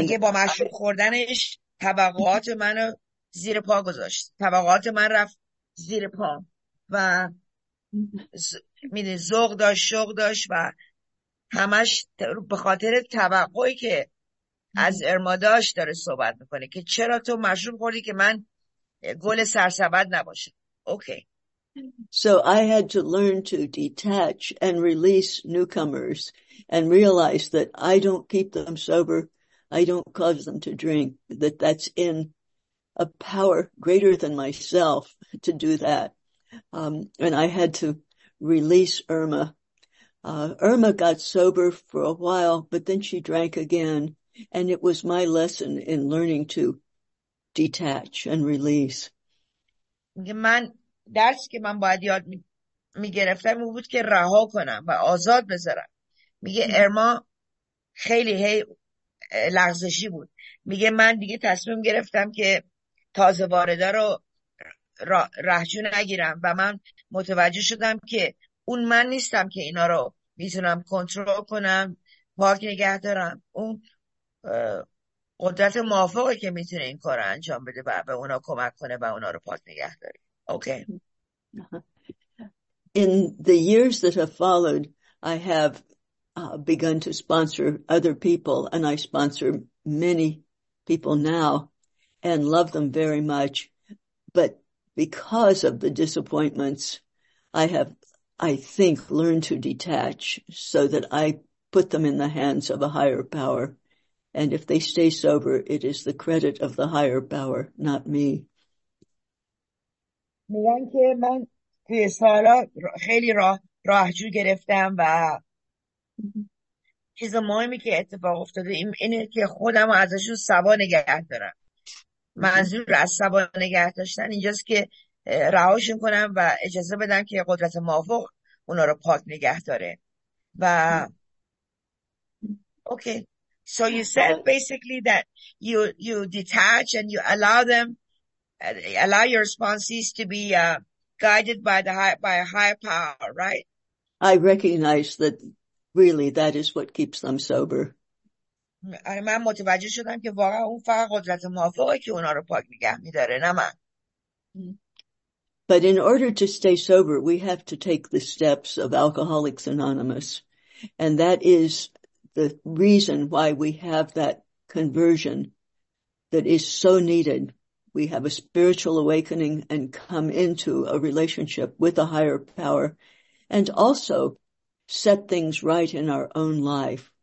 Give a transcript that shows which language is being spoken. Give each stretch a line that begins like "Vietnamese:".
Persian: میگه با مشروب خوردنش توقعات منو زیر پا گذاشت، توقعات من رفت زیر پا و میده ذوق داشت، شوق داشت و همش به خاطر توقعی که از ارما داشت داره صحبت میکنه که چرا تو مشروب خوردی که من گل سرسبد نباشم.
English: Okay. So I had to learn to detach and release newcomers and realize that I don't keep them sober, I don't cause them to drink, that that's in a power greater than myself to do that. And I had to release Irma. Irma got sober for a while, but then she drank again, and it was my lesson in learning to detach and release.
Persian: درسی که من باید یاد میگرفتم این بود که رها کنم و آزاد بذارم. میگه ارما خیلی هی لغزشی بود. میگه من دیگه تصمیم گرفتم که تازه وارده رو رهجو نگیرم و من متوجه شدم که اون من نیستم که اینا رو میتونم کنترل کنم، پاک نگه دارم. اون قدرت موافقه که میتونه این کار رو انجام بده و به اونا کمک کنه و اونا رو پاک نگه داره.
English: Okay. In the years that have followed, I have begun to sponsor other people, and I sponsor many people now and love them very much. But because of the disappointments, I have, I think, learned to detach so that I put them in the hands of a higher power. And if they stay sober, it is the credit of the higher power, not me.
Persian: میگن که من توی سالا خیلی راهجو گرفتم و چیز مهمی که اتفاق افتاده اینه که خودم رو ازشون سوا نگه دارم. منظور از سوا نگه داشتن اینجاست که رهاشون کنم و اجازه بدم که قدرت موافق اونا رو پاک نگه داره.
English: و okay. So you said basically that you detach and you allow them, allow your sponsees to be guided by the high, by a higher power, right? I recognize that really that is what keeps them sober.
Persian: من متوجه شدم که واقعا اون فقط قدرت موافقه که اونا رو پاک نگه میداره، نه من.
English: But in order to stay sober, we have to take the steps of Alcoholics Anonymous. And that is the reason why we have that conversion that is so needed. We have a spiritual awakening and come into a relationship with a higher power, and also set things right in our own life.